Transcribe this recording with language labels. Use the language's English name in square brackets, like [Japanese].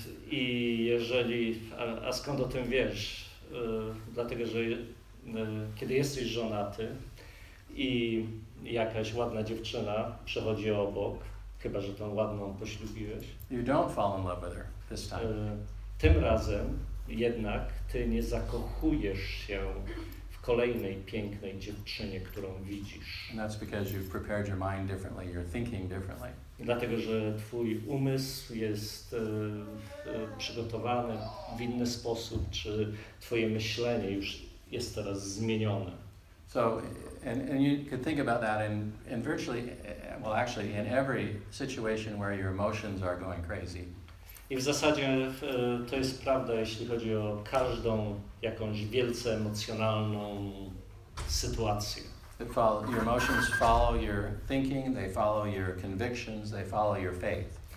[Polish] I jeżeli, a skąd o tym wiesz? Dlatego, że kiedy jesteś żonaty i jakaś ładna dziewczyna przechodzi obok, chyba że tą ładną poślubiłeś. [English] You don't fall in love with her this time. [Polish] Tym razem jednak ty nie zakochujesz się w kolejnej pięknej dziewczynie, którą widzisz. [English] And that's because you've prepared your mind differently, you're thinking differently. [Polish] Dlatego, że twój umysł jest przygotowany w inny sposób, czy twoje myślenie już jest teraz zmienione. [English] So, and you could think about that in virtually, well actually, in every situation where your emotions are going crazy. [Polish] I w zasadzie to jest prawda, jeśli chodzi o każdą jakąś wielce emocjonalną sytuację. [English] Your emotions follow your thinking, they follow your convictions, they follow your faith.